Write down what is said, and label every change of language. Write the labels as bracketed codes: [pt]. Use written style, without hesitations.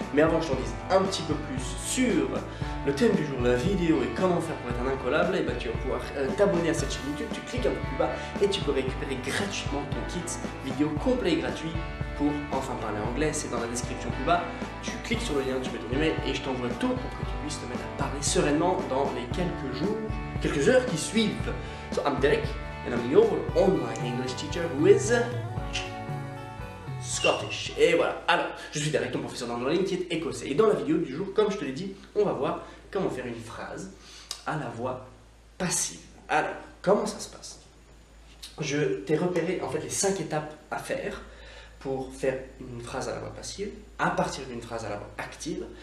[fr] Mais avant que je t'en dise un petit peu plus sur le thème du jour, la vidéo et comment faire pour être un incollable, et bah tu vas pouvoir t'abonner à cette chaîne YouTube, tu cliques un peu plus bas et tu peux récupérer gratuitement ton kit vidéo complet et gratuit pour enfin parler anglais. C'est dans la description plus bas. Tu cliques sur le lien, tu mets ton email et je t'envoie tout pour que tu puisses te mettre à parler sereinement dans les quelques jours, quelques heures qui suivent. [en] So I'm Derek and I'm your online English teacher who is Scottish. [fr] Et voilà. Alors, je suis Derek, ton professeur d'anglais en ligne qui est écossais. Et dans la vidéo du jour, comme je te l'ai dit, on va voir comment faire une phrase à la voix passive. Alors, comment ça se passe? Je t'ai repéré en fait les 5 étapes à faire pour faire une phrase à la voix passive à partir d'une phrase à la voix active.